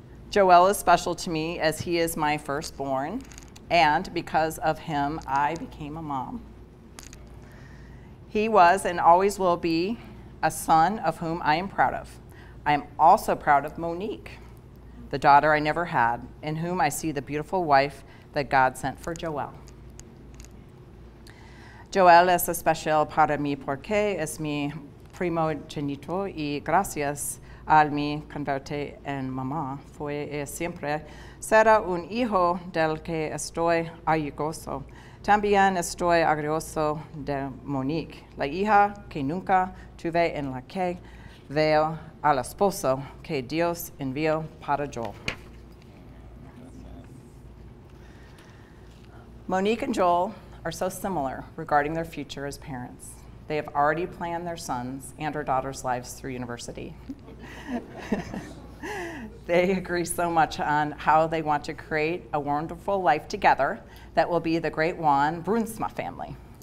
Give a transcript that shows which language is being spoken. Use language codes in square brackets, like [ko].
[en] Joel is special to me as he is my firstborn, and because of him, I became a mom. He was and always will be a son of whom I am proud of. I am also proud of Monique, the daughter I never had, in whom I see the beautiful wife that God sent for Joel. [es] Joel es especial para mí porque es mi primogénito y gracias a mi convertirse en mamá fue y siempre será un hijo del que estoy orgulloso. También estoy orgulloso de Monique, la hija que nunca tuve en la que veo al esposo que Dios envió para Joel. [en] Monique and Joel are so similar regarding their future as parents. They have already planned their sons' and their daughters' lives through university. They agree so much on how they want to create a wonderful life together that will be the great Juan Bruinsma family.